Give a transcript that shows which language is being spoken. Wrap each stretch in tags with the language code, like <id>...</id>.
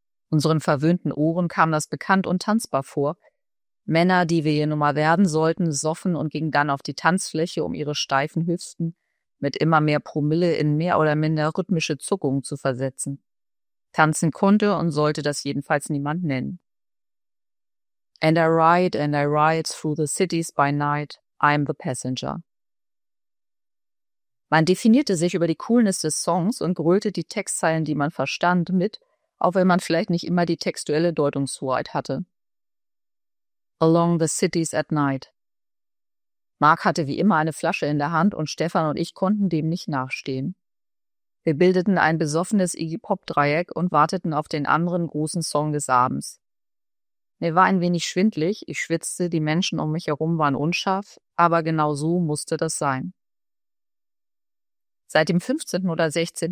<de>Unseren verwöhnten Ohren kam das bekannt und tanzbar vor. Männer, die wir hier nun mal werden sollten, soffen und gingen dann auf die Tanzfläche, um ihre steifen Hüften mit immer mehr Promille in mehr oder minder rhythmische Zuckungen zu versetzen. Tanzen konnte und sollte das jedenfalls niemand nennen.</de> <en>And I ride through the cities by night, I'm the passenger.</en> <de>Man definierte sich über die Coolness des Songs und grölte die Textzeilen, die man verstand, mit, auch wenn man vielleicht nicht immer die textuelle Deutungshoheit hatte.</de> <en>Along the cities at night.</en> <de>Mark hatte wie immer eine Flasche in der Hand und Stefan und ich konnten dem nicht nachstehen. Wir bildeten ein besoffenes Iggy Pop-Dreieck und warteten auf den anderen großen Song des Abends. Mir war ein wenig schwindlig, ich schwitzte, die Menschen um mich herum waren unscharf, aber genau so musste das sein. Seit dem 15. oder 16.</de>